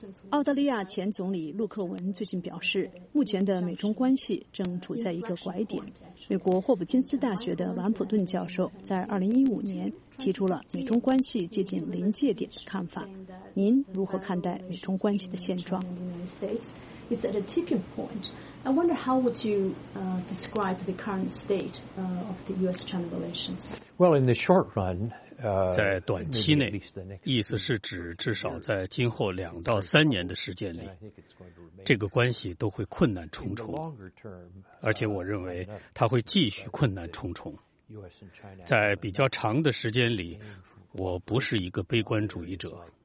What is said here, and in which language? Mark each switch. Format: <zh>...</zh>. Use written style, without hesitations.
<zh>澳大利亚前总理陆克文最近表示，目前的美中关系正处在一个拐点。美国霍普金斯大学的兰普顿教授在2015年提出了美中关系接近临界点的看法。您如何看待美中关系的现状？</zh> <en>I wonder how would you describe the current state of the U.S.-China relations? Well, in the short run,</en> <zh>在短期内，意思是指至少在今后2到3年的时间里，这个关系都会困难重重，而且我认为它会继续困难重重。在比较长的时间里，我不是一个悲观主义者。</zh>